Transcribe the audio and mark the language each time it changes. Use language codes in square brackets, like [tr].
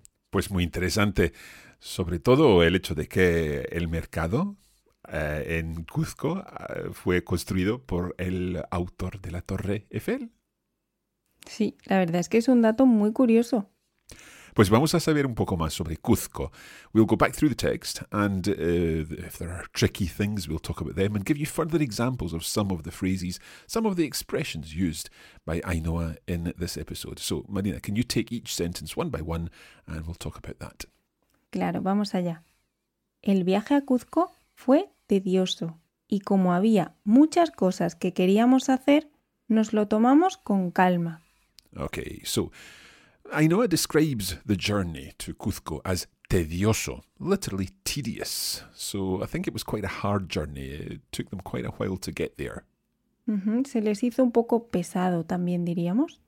[es] Pues muy interesante, sobre todo el hecho de que el mercado en Cuzco fue construido por el autor de la Torre Eiffel. Sí, la verdad es que es un dato muy curioso. Pues vamos a saber un poco más sobre Cuzco. [en] We'll go back through the text, and if there are tricky things, we'll talk about them and give you further examples of some of the phrases, some of the expressions used by Ainhoa in this episode. So, Marina, can you take each sentence one by one, and we'll talk about that. [es] Claro, vamos allá. El viaje a Cuzco fue tedioso, y como había muchas cosas que queríamos hacer, nos lo tomamos con calma. [en] Okay, so Ainhoa describes the journey to Cuzco as tedioso, literally tedious. So I think it was quite a hard journey. It took them quite a while to get there. Mm-hmm. [es] Se les hizo un poco pesado también, diríamos.